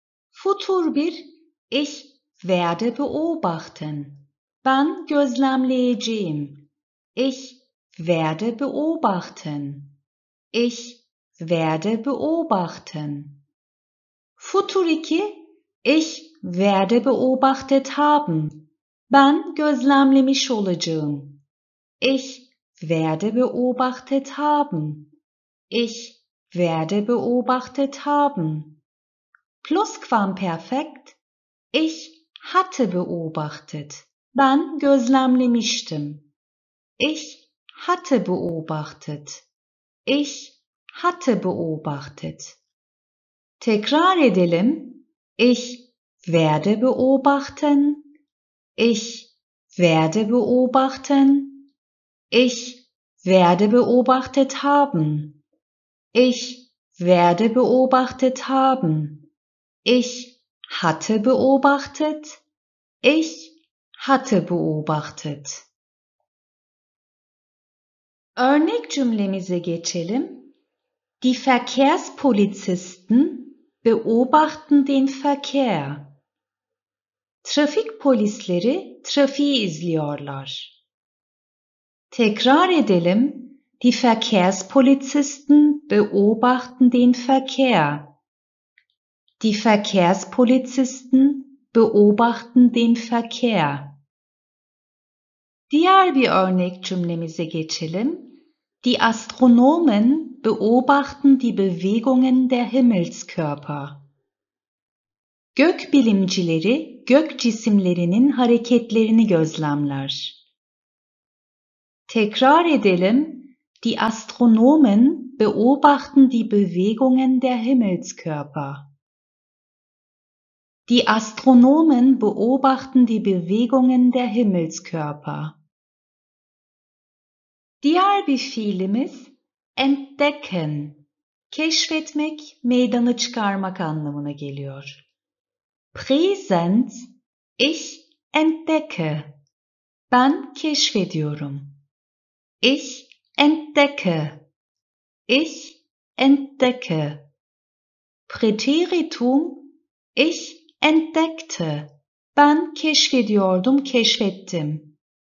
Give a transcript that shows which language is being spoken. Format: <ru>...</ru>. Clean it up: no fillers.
<de>Futur bir, ich werde beobachten.</de> <tr>Ben gözlemleyeceğim.</tr> <de>Ich werde beobachten. Ich werde beobachten. Futur 2, ich werde beobachtet haben.</de> <tr>Ben gözlemlemiş olacağım.</tr> <de>Ich werde beobachtet haben. Ich werde beobachtet haben. Plusquamperfekt. Ich hatte beobachtet.</de> <tr>Ben gözlemlemiştim.</tr> <de>Ich hatte beobachtet. Ich hatte beobachtet.</de> <tr>Tekrar edelim.</tr> <de>Ich werde beobachten. Ich werde beobachten. Ich werde beobachtet haben. Ich werde beobachtet haben. Ich hatte beobachtet. Ich hatte beobachtet.</de> <tr>Örnek cümlemize geçelim.</tr> <de>Die Verkehrspolizisten beobachten den Verkehr.</de> <tr>Trafik polisleri trafiği izliyorlar. Tekrar edelim.</tr> <de>Die Verkehrspolizisten beobachten den Verkehr. Die Verkehrspolizisten beobachten den Verkehr.</de> <tr>Diğer bir örnek cümlemize geçelim.</tr> <de>Die Astronomen beobachten die Bewegungen der Himmelskörper.</de> <tr>Gökbilimcileri gök cisimlerinin hareketlerini gözlemler. Tekrar edelim.</tr> <de>Die Astronomen beobachten die Bewegungen der Himmelskörper. Die Astronomen beobachten die Bewegungen der Himmelskörper.</de> <tr>Diğer bir fiilimiz entdecken, keşfetmek, meydana çıkarmak anlamına geliyor.</tr> <de>Präsent, ich entdecke,</de> <tr>ben keşfediyorum.</tr> <de>Ich entdecke, ich entdecke. Präteritum, ich entdeckte,</de> <tr>ben keşfediyordum, keşfettim.</tr>